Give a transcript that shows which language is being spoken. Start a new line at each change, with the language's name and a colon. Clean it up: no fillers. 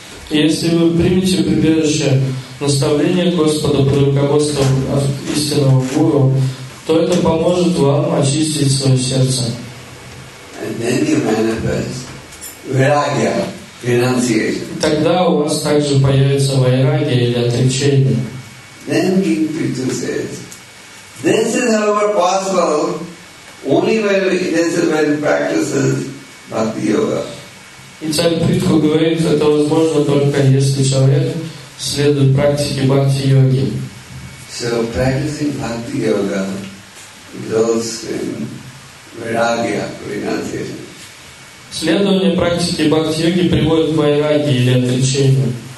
Russian: Если вы примете прибежище наставления Господа под руководством истинного Гуру, то это поможет вам очистить свое сердце.
English: And then you manifest vairagya, renunciation.
Russian: Тогда у вас также появится вайрагья или отречение.
English: Then King Prithu says, This is however possible only when practices bhakti yoga.
Russian: Итак, Притху говорит, это возможно только если человек следует практике бхакти йоги.
English: So practicing bhakti yoga results in vairagya, renunciation.
Russian: Следование практике бхакти йоги приводит к вайрагии или отречению.